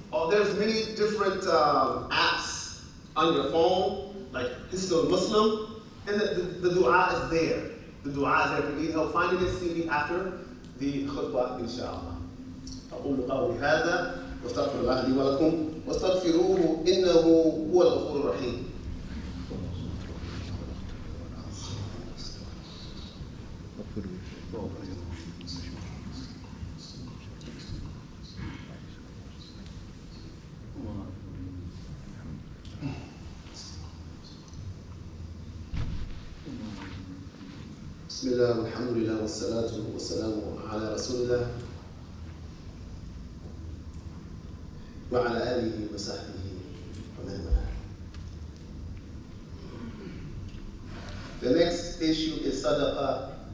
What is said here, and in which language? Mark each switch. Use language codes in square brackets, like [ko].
[en] There's many different apps on your phone, like Hissul Muslim. And the dua is there. The dua is there. If you need help finding it, see me after the khutbah, inshallah. [ar] أقول قولي هذا واستغفر الله لي ولكم واستغفروه إنه هو الغفور الرحيم. بسم الله والحمد لله والصلاة والسلام على رسول الله وعلى آله وصحبه ومن والاه. [en] The next issue is صدقة.